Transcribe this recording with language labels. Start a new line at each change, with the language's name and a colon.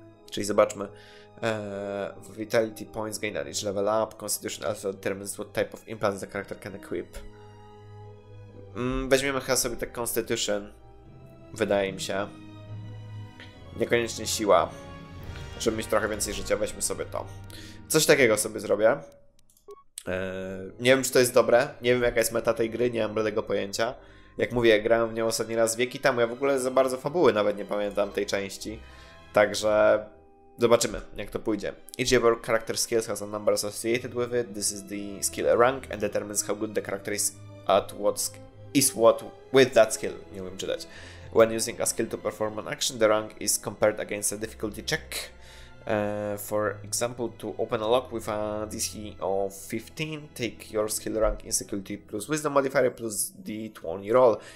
Polish: Czyli zobaczmy.
English: Vitality points gained at each level up. Constitution also determines what type of implant the character can equip.
Polish: Weźmiemy chyba sobie tak Constitution. Wydaje mi się. Niekoniecznie siła. Żeby mieć trochę więcej życia, weźmy sobie to. Coś takiego sobie zrobię. Nie wiem, czy to jest dobre. Nie wiem, jaka jest meta tej gry. Nie mam bladego pojęcia. Jak mówię, jak grałem w nią ostatni raz wieki temu, ja w ogóle za bardzo fabuły nawet nie pamiętam tej części. Także zobaczymy, jak to pójdzie.
English: Each of your character skills has a number associated with it. This is the skill rank and determines how good the character is at what is what with that skill.
Polish: Nie umiem czytać.
English: When using a skill to perform an action, the rank is compared against a difficulty check. For example, to open a lock with a DC of 15, take your skill rank in security plus wisdom modifier plus D20 roll.